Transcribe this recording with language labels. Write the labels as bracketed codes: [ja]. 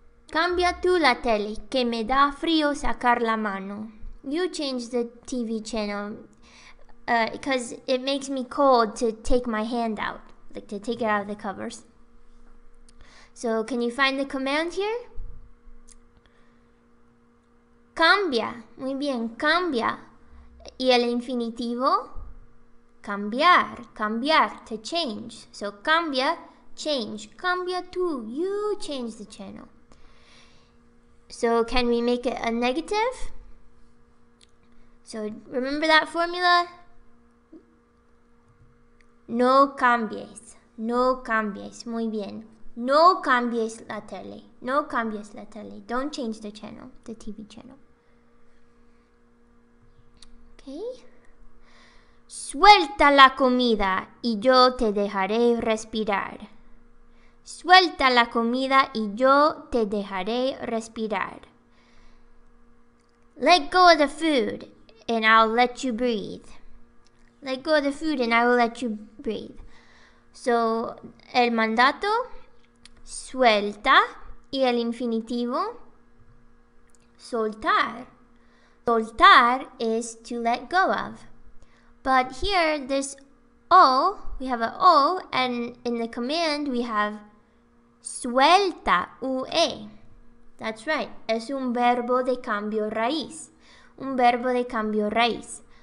[es] Cambia tú la tele, que me da frío sacar la mano. [en] You change the TV channel because it makes me cold to take my hand out, like to take it out of the covers. So, can you find the command here? [es] Cambia. Muy bien, cambia. ¿Y el infinitivo? Cambiar, cambiar, [en] to change. So, cambia, change. [es] Cambia tú, [en] you change the channel. So can we make it a negative? So remember that formula? [es] No cambies. No cambies. Muy bien. No cambies la tele. No cambies la tele. [en] Don't change the channel, the TV channel. Okay. [es] Suelta la comida y yo te dejaré respirar. Suelta la comida y yo te dejaré respirar. [en] Let go of the food and I'll let you breathe. Let go of the food and I will let you breathe. [es] So, el mandato, suelta, y el infinitivo, soltar. [en] Soltar is to let go of. But here, this O, we have an O, and in the command, we have suelta, U-E. That's right. [es] Es un verbo de cambio raíz. Un verbo de cambio raíz.